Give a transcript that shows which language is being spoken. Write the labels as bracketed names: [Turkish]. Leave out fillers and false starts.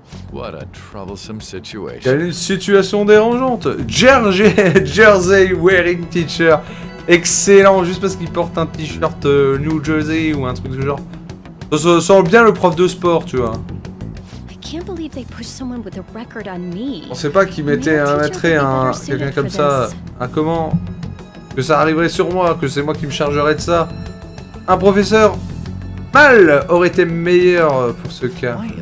[English] What a troublesome situation. [French] Quelle une situation dérangeante. [English] Jersey wearing teacher. [French] Excellent, juste parce qu'il porte un t-shirt New Jersey ou un truc du genre. Ça sent bien le prof de sport, tu vois. [English] Can't believe they pushed someone with a record on me. [French] On sait pas qui mettrait un quelqu'un comme ça. Un comment? Que ça arriverait sur moi, que c'est moi qui me chargerais de ça. Un professeur mal aurait été meilleur pour ce cas.